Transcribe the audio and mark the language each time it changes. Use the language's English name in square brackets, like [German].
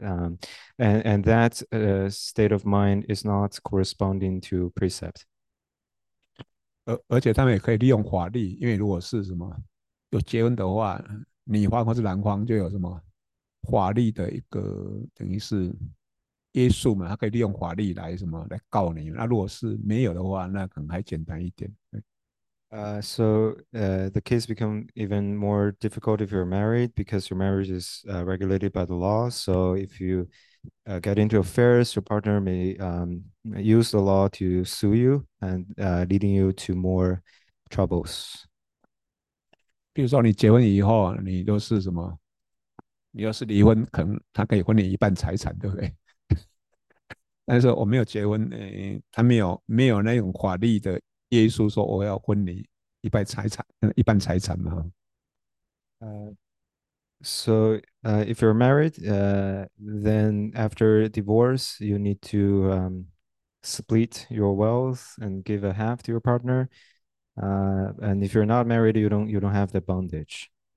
[English] And that state of mind is not corresponding to precept. [Chinese] 而且他们也可以利用法力，因为如果是什么有结婚的话，女方或是男方就有什么法力的一个等于是约束嘛，他可以利用法力来什么来告你。那如果是没有的话，那可能还简单一点。 [English] So the case become even more difficult if you're married because your marriage is regulated by the law. So if you get into affairs, your partner may use the law to sue you and leading you to more troubles. [Chinese] 比如说你结婚以后，你就是什么？你要是离婚，可能他可以分你一半财产，对不对？但是我没有结婚，他没有那种法律的约束，说我要分你一半财产，一半财产嘛。 [English] So if you're married, then after divorce, you need to split your wealth and give a half to your partner. And if you're not married, you don't have the bondage.